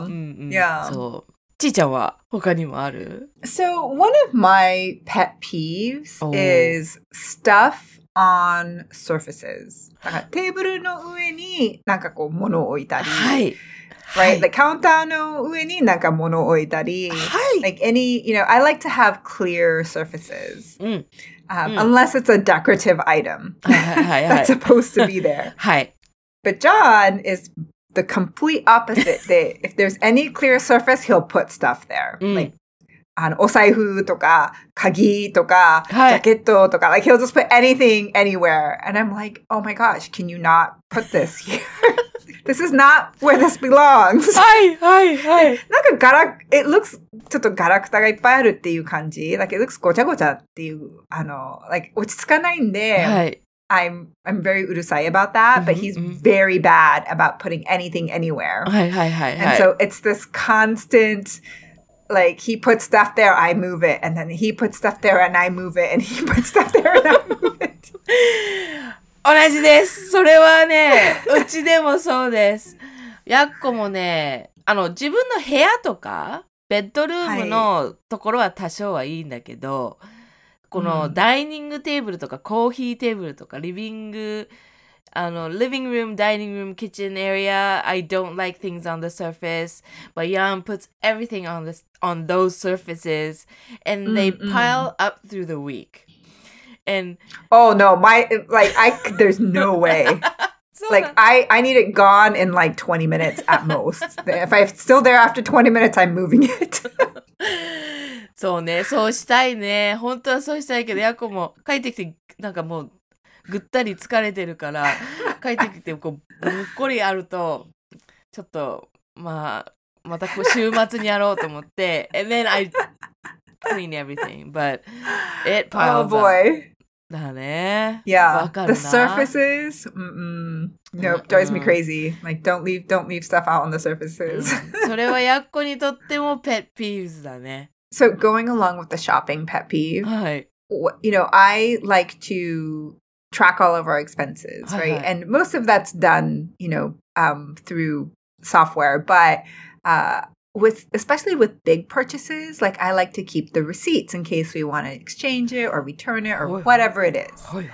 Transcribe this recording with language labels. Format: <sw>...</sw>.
<ja>うんうん、</ja> <en>Yeah</en> <ja>そうちーちゃんは他にもある</ja> <en>So one of my pet peeves is stuffOn surfaces.</en> <ja>テーブルの上になんかこう物を置いたり。はい。</ja> <en>Right? The counter</en> <ja>の上になんか物を置いたり。はい。</ja> <en>Like any, you know, I like to have clear surfaces.</en> <ja>うん。</ja> <en>Unless it's a decorative item.</en> <ja>はいはいはい。</ja> <en>That's supposed to be there.</en> <ja>はい。</ja> <en>But John is the complete opposite. That if there's any clear surface, he'll put stuff there. Like,</en> <ja>あのお財布とか鍵とか、はい、ジャケットとか</ja> <en>like he'll just put anything anywhere and I'm like oh my gosh can you not put this here this is not where this belongs</en> <ja>はいはいはいなんかガラ</ja> <en>it looks</en> <ja>ちょっとガラクタがいっぱいあるっていう感じ</ja> <en>like it looks</en> <ja>ごちゃごちゃっていうあの like 落ち着かないんで、はい、</ja> <en>I'm very</en> <ja>うるさい</ja> <en>about that、mm-hmm. but he's very bad about putting anything anywhere</en> <ja>はいはいはいはい</ja> <en>and so it's this constantLike, he puts stuff there, I move it. And then he puts stuff there, and I move it. And he puts stuff there, and I move it.</en> <ja>同じです。それはね、うちでもそうです。ヤッコもね、あの、自分の部屋とか、ベッドルームのところは多少はいいんだけど、はい、このダイニングテーブルとかコーヒーテーブルとか、リビング、あの、リビングルーム、ダイニングルーム、キッチンエリア、</ja> <en>I don't like things on the surface, but Jan puts everything on, this, on those surfaces, and they pile up through the week. And oh no, my like, I there's no way. So like, I need it gone in like 20 minutes at most. If I'm still there after 20 minutes, I'm moving it.</en> <ja>そうね、そうしたいね。本当はそうしたいけど、ヤコも帰ってきて、なんかもうぐったり疲れてるから、帰ってきてこうぶっこりあると、ちょっとまあまたこう週末にやろうと思って、</ja> <en>and then I. Clean everything, but it piles up. Oh boy.</en> <ja>だね。</ja> <en>Yeah. The surfaces. Nope. Drives me crazy. Like, don't leave stuff out on the surfaces.</en> <ja>それはやっこにとってもペッピーブスだね。</ja> <en>So going along with the shopping pet peeve, you know, I like to track all of our expenses, right? And most of that's done, you know, through software, especially with big purchases, like I like to keep the receipts in case we want to exchange it or return it or whatever it is.</en>